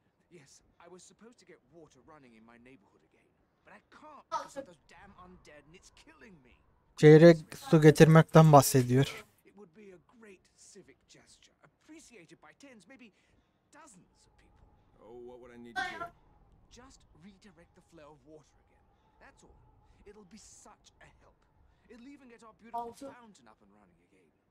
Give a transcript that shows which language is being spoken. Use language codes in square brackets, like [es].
[en] Yes, I was supposed to get water running in my neighborhood again, but I can't. Those damn undead, and it's killing me. [tr] Çeyrek su getirmekten bahsediyor. [en] It would be a great civic gesture, appreciated by tens, maybe dozens of people. Oh, what would I need to do? Just redirect the flow of water again. That's all. It'll be such a help. It'll even get our beautiful fountain up and running again.